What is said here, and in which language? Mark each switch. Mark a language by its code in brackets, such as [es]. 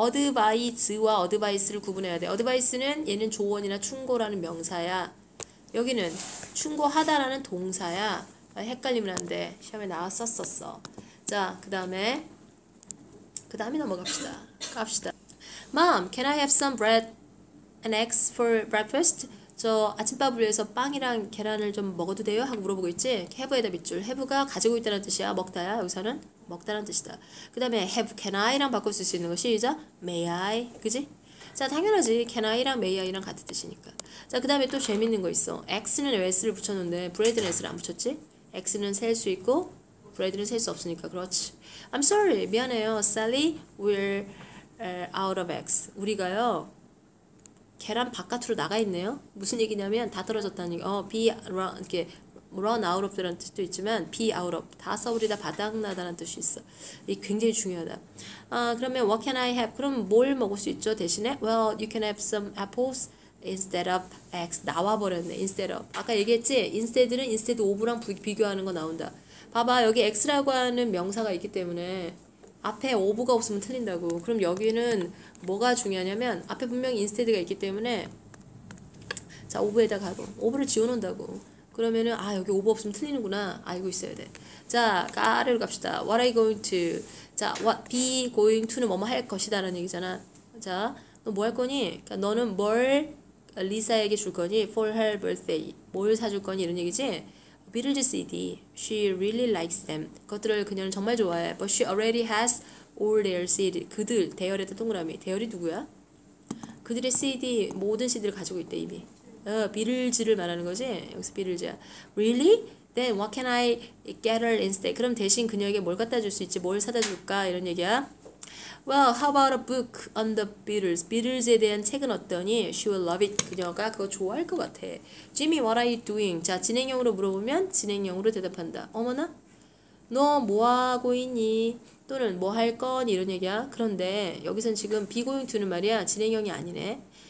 [ko] 어드바이스와 어드바이스를 구분해야 돼. 어드바이스는 얘는 조언이나 충고라는 명사야. 여기는 충고하다라는 동사야. 헷갈리면 안 돼. 시험에 나왔었었어. 자, 그 다음에 넘어갑시다. 갑시다. [en] Mom, can I have some bread and eggs for breakfast? [ko] 저 아침밥을 위해서 빵이랑 계란을 좀 먹어도 돼요? 하고 물어보고 있지? Have에다 밑줄. Have가 가지고 있다는 뜻이야. 먹다야. 여기서는 먹다는 뜻이다. 그 다음에 have, can I랑 바꿀 수 있는 거 시작. May I. 그지? 자, 당연하지. Can I랑 may I랑 같은 뜻이니까. 자, 그 다음에 또 재밌는 거 있어. X는 S를 붙였는데, bread는 S를 안 붙였지? X는 셀수 있고, bread는 셀수 없으니까. 그렇지. [en] I'm sorry. [ko] 미안해요. [en] Sally, we're out of eggs. [ko] 우리가요. 계란 바깥으로 나가 있네요. 무슨 얘기냐면 다 떨어졌다는 얘기. Be run 이렇게 run out of 라는 뜻도 있지만 be out of 다 써버리다 바닥나다는 뜻이 있어. 이게 굉장히 중요하다. 그러면 [en] what can I have? [ko] 그럼 뭘 먹을 수 있죠 대신에? [en] Well, you can have some apples instead of eggs. [ko] 나와 버렸네. Instead of 아까 얘기했지? Instead는 instead of랑 비교하는 거 나온다. 봐봐 여기 x라고 하는 명사가 있기 때문에. 앞에 of가 없으면 틀린다고. 그럼 여기는 뭐가 중요하냐면 앞에 분명히 instead가 있기 때문에 자, of에다 가고 of를 지워놓는다고. 그러면은 아, 여기 of 없으면 틀리는구나. 알고 있어야 돼. 자, 까르르 갑시다. [en] What are you going to? [ko] 자, what be going to는 뭐뭐 할 것이다라는 얘기잖아. 자, 너뭐할 거니? 그러니까 너는 뭘 리사에게 줄 거니? [en] For her birthday. [ko] 뭘 사줄 거니? 이런 얘기지? Beetlejuice CD. [en] She really likes them. [ko] 그것들을 그녀는 정말 좋아해. [en] But she already has all their CD. [ko] 그들, 대열에다 동그라미. 대열이 누구야? 그들의 CD, 모든 CD를 가지고 있대, 이미. 비틀즈를 말하는 거지? 여기서 비틀즈야. [en] Really? Then what can I get her instead? [ko] 그럼 대신 그녀에게 뭘 갖다 줄수 있지? 뭘 사다 줄까? 이런 얘기야. [en] Well, how about a book on the Beatles? [ko] 비틀즈에 대한 책은 어떠니? [en] She will love it. [ko] 그녀가 그거 좋아할 것 같아. [en] Jimmy, what are you doing? [ko] 자, 진행형으로 물어보면 진행형으로 대답한다. 어머나? 너뭐 하고 있니? 또는 뭐할 건? 이런 얘기야. 그런데 여기선 지금 be going to는 말이야. 진행형이 아니네.